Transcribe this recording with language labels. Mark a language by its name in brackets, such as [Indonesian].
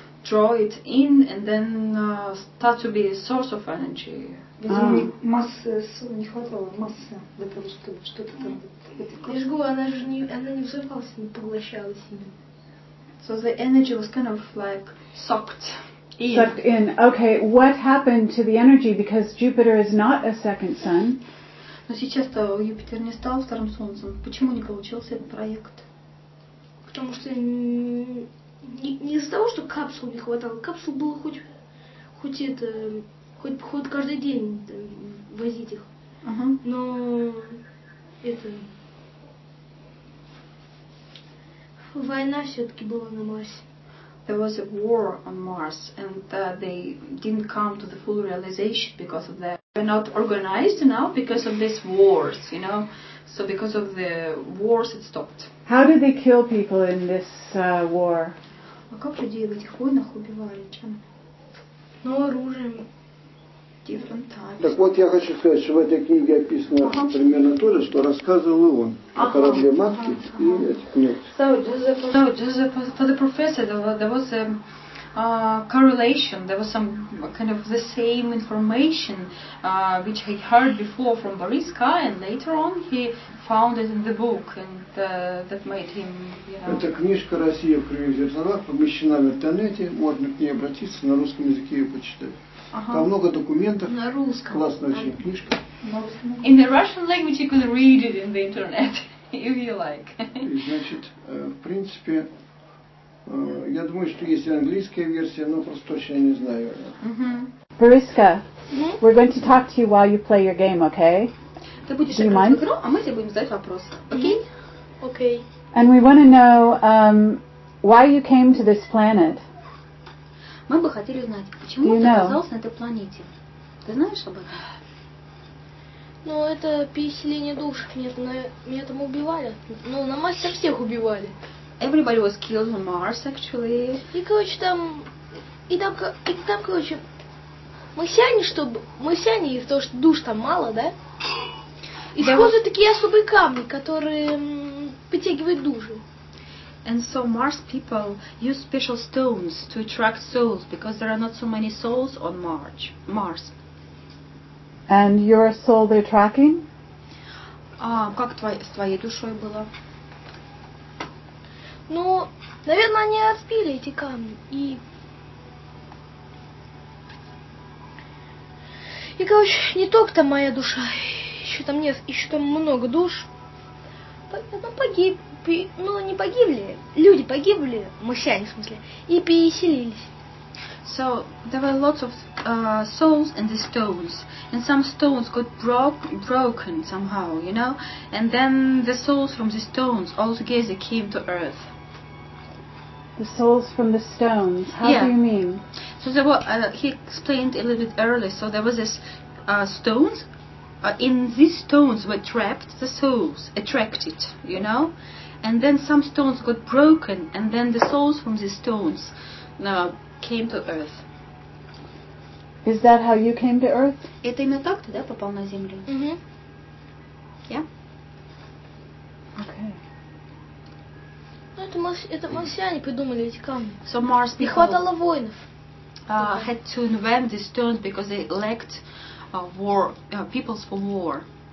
[English] Draw it in and then start to be a source of energy. [Russian] Массы не хватало, массы для того, чтобы что-то там. Лежгу, она не взрывалась, не поглощалась именно. [English] So the energy was kind of like sucked. Sucked in. Okay, what happened to the energy? Because Jupiter is not a second sun. [Russian] Но сейчас-то Юпитер не стал вторым солнцем. Почему не получился этот проект? Потому что не из-за того, что капсул не хватало. Капсул было хоть каждый день там, возить их. Uh-huh. Но это война все-таки была на Марсе. [English] There was a war on Mars, and they didn't come to the full realization because of that. They're not organized now because of these wars, you know. So because of the wars, it stopped. How did they kill people in this war? [Russian] А как людей в этих войнах убивали? Чем? Ну, оружием. [English] Different types. [Russian] Так вот, я хочу сказать, что в этой книге описано примерно то же, что рассказывал он о корабле матки и этих нефть. [English] So, just for the professor, there was a correlation, there was some kind of the same information which he heard before from Бориска, and later on he found it in the book, and that made him, you know. [Russian] Эта книжка «Россия в крови зерзалах» помещена в интернете, можно к ней обратиться, на русском языке ее почитать. Uh-huh. Там много документов. На русском. Классная очень книжка. [English] In the Russian language you could read it in the internet, if you like. [Russian] Значит, в принципе, я думаю, что есть английская версия, но просто точно не знаю. Uh-huh. [English] Бориска, we're going to talk to you while you play your game, okay? [Russian] Ты будешь играть в игру, а мы тебе будем задать вопрос. Окей? Окей. [English] And we want to know why you came to this planet. [Russian] Мы бы хотели знать, почему ты оказался на этой планете. Ты знаешь об этом? Ну, это переселение душ. Меня там убивали. Ну, на Марсе всех убивали. [English] Everybody was killed on Mars, actually. [Russian] И, короче, марсиане, из-за того, что душ там мало, да? Используют такие особые камни, которые притягивают души. [English] And so Mars people use special stones to attract souls because there are not so many souls on Mars. And your soul they're tracking? [Russian] Как с твоей душой было? Ну, наверное, они отпили эти камни. И, короче, не только моя душа, еще там много душ. Потом погиб. Ну, не погибли. Люди погибли, марсиане, в смысле, и переселились. [English] So, there were lots of souls and the stones. And some stones got broken somehow, you know? And then the souls from the stones all together came to Earth. The souls from the stones? How do you mean? So, there were, he explained a little bit earlier. So, there was this stones. In these stones were trapped, the souls attracted, you know? And then some stones got broken, and then the souls from the stones came to Earth. Is that how you came to Earth? [Russian] Это именно так ты, да, попал на Землю? Угу. [English] Yeah? [Russian] Ну это марсиане придумали эти камни. [English] So Mars people, [Russian] не хватало воинов. [English] Had to invent these stones because they lacked war peoples for war.